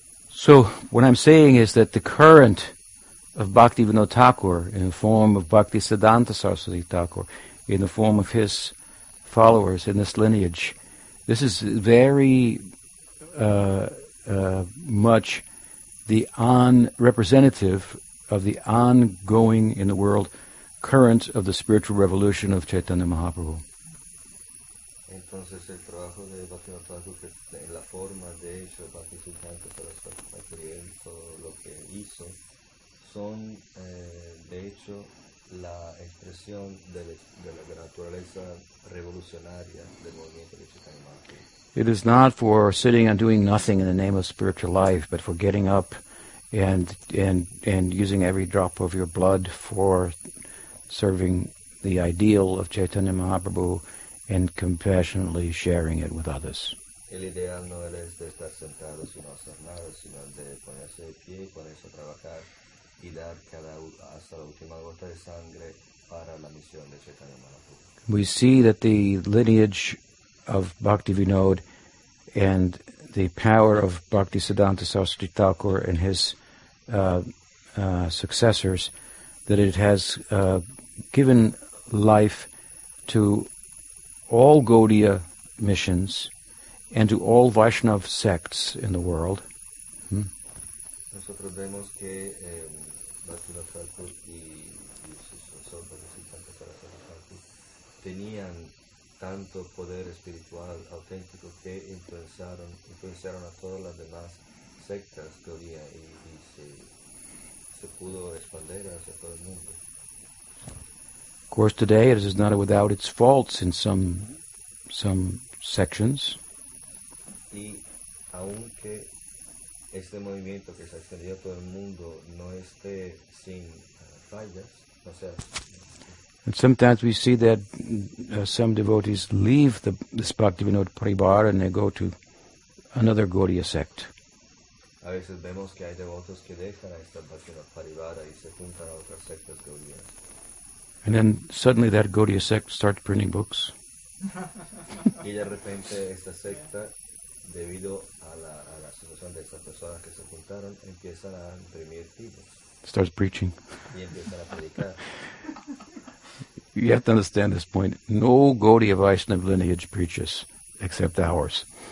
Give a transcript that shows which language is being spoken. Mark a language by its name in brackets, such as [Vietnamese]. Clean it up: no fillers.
[English] So what I'm saying is that the current of Bhaktivinoda Thakur in the form of Bhaktisiddhanta Saraswati Thakur, in the form of his followers in this lineage, this is very much the representative of the ongoing in the world current of the spiritual revolution of Chaitanya Mahaprabhu. [Spanish] Entonces el trabajo de Bhaktivinoda Thakur en la forma de hecho Bhaktisiddhanta Saraswati lo que hizo son de hecho la expresión de la naturaleza revolucionaria del movimiento de Chaitanya Mahaprabhu. [English] It is not for sitting and doing nothing in the name of spiritual life, but for getting up and using every drop of your blood for serving the ideal of Chaitanya Mahaprabhu and compassionately sharing it with others. [Spanish] El ideal no es de estar sentado sin hacer nada, sino de ponerse de pie y ponerse a trabajar y dar cada hasta la última gota de sangre para la misión de Chaitanya Mahaprabhu. [English] We see that the lineage of Bhaktivinod and the power of Bhaktisiddhanta Saraswati Thakur and his successors, that it has given life to all Gaudiya missions and to all Vaishnav sects in the world. [Spanish] Nosotros vemos que Bhaktivinoda Thakur y sus sobrinos, tanto Saraswati Thakur, tenían tanto poder espiritual auténtico que influenciaron a todas las demás sectas Gaudiya y se pudo expandir hacia todo el mundo. [English] Of course, today it is not without its faults in some sections. [Spanish] Y aunque este movimiento que se extendió a todo el mundo no esté sin fallas, o sea, [English] and sometimes we see that some devotees leave the Bhaktivinoda Paribar and they go to another Gaudiya sect. [Spanish] A veces vemos que hay devotos que dejan a esta Bhaktivinoda Paribar y se juntan a otras sectas Gaudiya. [English] And then suddenly that Gaudiya sect starts printing books. [Spanish] Y de repente esta secta, debido a la situación de estas personas que se juntaron, empiezan a imprimir libros. [English] Starts preaching. [Spanish] Y empiezan a predicar. [English] You have to understand this point. No Gaudiya Vaishnava lineage preaches except ours.